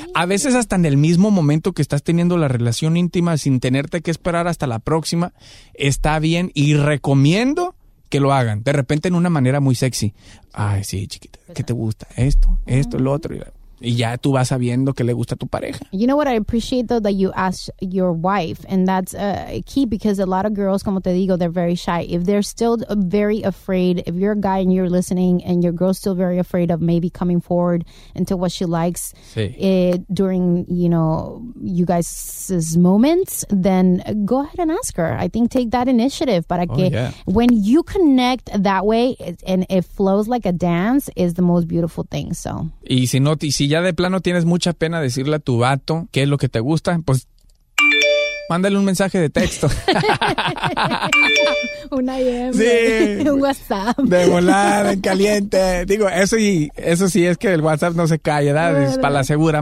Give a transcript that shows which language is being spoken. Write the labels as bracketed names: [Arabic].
[Spanish] A veces hasta en el mismo momento que estás teniendo la relación íntima, sin tenerte que esperar hasta la próxima, está bien y recomiendo que lo hagan. De repente en una manera muy sexy. Ay, sí, chiquita, ¿qué te gusta? Esto, esto, lo otro. Y ya tú vas sabiendo qué le gusta a tu pareja. [English] You know what I appreciate though that you asked your wife, and that's key because a lot of girls, [Spanish] como te digo, [English] they're very shy. If they're still very afraid, if you're a guy and you're listening and your girl's still very afraid of maybe coming forward into what she likes during, you know, you guys' moments, then go ahead and ask her. I think take that initiative [Spanish] para que [English] when you connect that way and it flows like a dance is the most beautiful thing. So [Spanish] y si no, si ya de plano tienes mucha pena decirle a tu vato qué es lo que te gusta, pues mándale un mensaje de texto. Un IM. Sí. Un WhatsApp. De volada, en caliente. Digo, eso sí es que el WhatsApp no se calla, ¿verdad? Es para la segura.